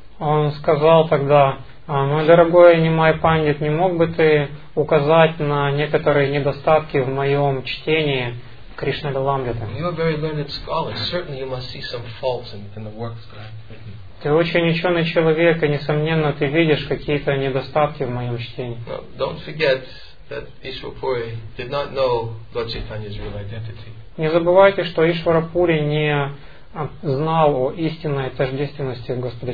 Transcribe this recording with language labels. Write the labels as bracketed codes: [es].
[ru] Он сказал тогда, мой дорогой Нимай Пандит, не мог бы ты указать на некоторые недостатки в моем чтении Кришна Лиламрита? Ты очень ученый человек, и несомненно ты видишь какие-то недостатки в моем чтении. [en] Don't forget that Ishwarapuri did not know Lord Chaitanya's real identity. [ru] Не забывайте, что Ишварапури не знал о истинной тождественности Господа